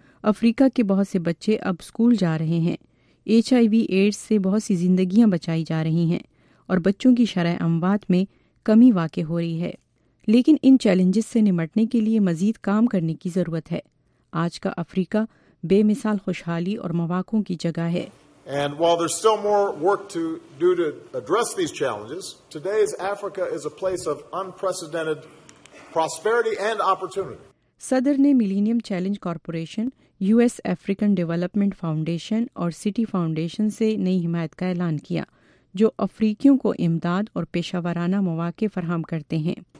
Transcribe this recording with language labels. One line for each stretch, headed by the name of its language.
Urdu: افریقہ کے بہت سے بچے اب اسکول جا رہے ہیں، ایچ آئی وی ایڈز سے بہت سی زندگیاں بچائی جا رہی ہیں، اور بچوں کی شرح اموات میں کمی واقع ہو رہی ہے۔ لیکن ان چیلنجز سے نمٹنے کے لیے مزید کام کرنے کی ضرورت ہے۔ آج کا افریقہ بے مثال خوشحالی اور مواقع کی جگہ ہے۔
English: And while there's still more work to do to address these challenges, today's Africa is a place of unprecedented prosperity and opportunity.
Urdu: صدر نے millennium challenge corporation, U S African development foundation اور سٹی فاؤنڈیشن سے نئی حمایت کا اعلان کیا، جو افریقیوں کو امداد اور پیشہ ورانہ مواقع فراہم کرتے ہیں۔